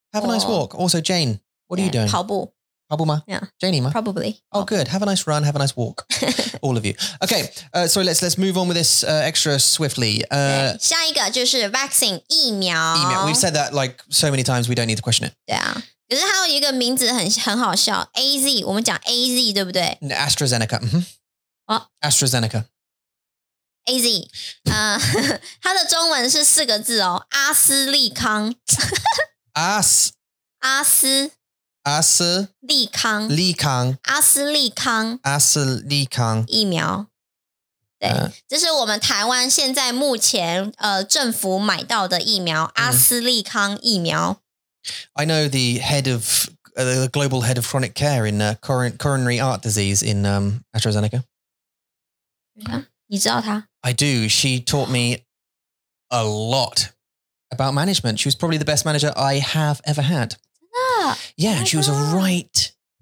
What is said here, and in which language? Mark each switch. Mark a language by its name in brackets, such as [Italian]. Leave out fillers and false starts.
[English] Have a nice walk. Also, Jane, what are you doing? [Chinese] 跑步。跑步吗? [English] Yeah. [Chinese] Janie吗? [English] Probably. Oh, good. Have a nice run. Have a nice walk. All of you. Okay. So let's move on with this extra swiftly. [Chinese] 下一个就是 vaccine, 疫苗。 [English] 疫苗。We've said that like so many times, we don't need to question it. [Chinese] 对啊。可是它有一个名字很好笑 ,AZ, 我们讲 AZ, 对不对 ?AstraZeneca, 嗯哼。啊、 AstraZeneca。 AZ, 它的中文是四个字哦阿斯利康。阿斯利康。利康。阿斯利康。阿斯利康。疫苗。对。这是我们台湾现在目前政府买到的疫苗阿斯利康疫苗。 [English] I know the head of the global head of chronic care in coronary heart disease in AstraZeneca. [Chinese] Yeah, 你知道她? [English] I do. She taught me a lot about management. She was probably the best manager I have ever had. Yeah, she was a right.